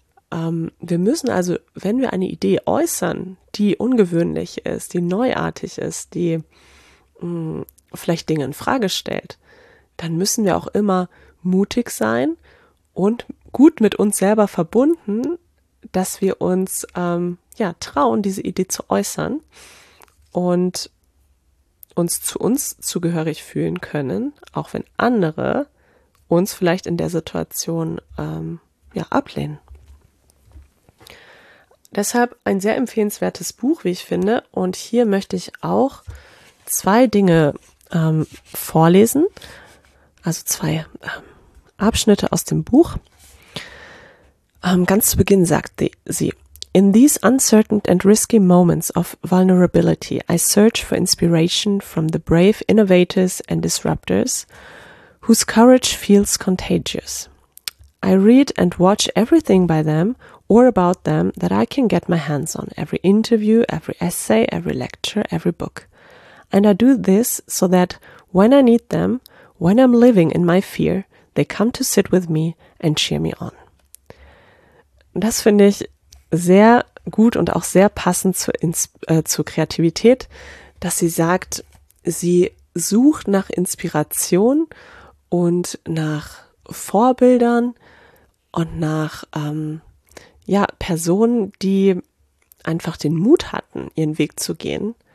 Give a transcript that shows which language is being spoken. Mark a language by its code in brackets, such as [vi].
[de] Wir müssen also, wenn wir eine Idee äußern, die ungewöhnlich ist, die neuartig ist, die vielleicht Dinge in Frage stellt, dann müssen wir auch immer mutig sein und gut mit uns selber verbunden, dass wir uns trauen, diese Idee zu äußern und uns zu uns zugehörig fühlen können, auch wenn andere uns vielleicht in der Situation ablehnen. Deshalb ein sehr empfehlenswertes Buch, wie ich finde. Und hier möchte ich auch zwei Dinge vorlesen, also zwei Abschnitte aus dem Buch. Ganz zu Beginn sagt sie, [en] "In these uncertain and risky moments of vulnerability, I search for inspiration from the brave innovators and disruptors whose courage feels contagious. I read and watch everything by them or about them that I can get my hands on, every interview, every essay, every lecture, every book. And I do this so that when I need them, when I'm living in my fear, they come to sit with me and cheer me on." [de] Das finde ich sehr gut und auch sehr passend zur Kreativität, dass sie sagt, sie sucht nach Inspiration und nach Vorbildern und nach Personen, die einfach den Mut hatten, ihren Weg zu gehen.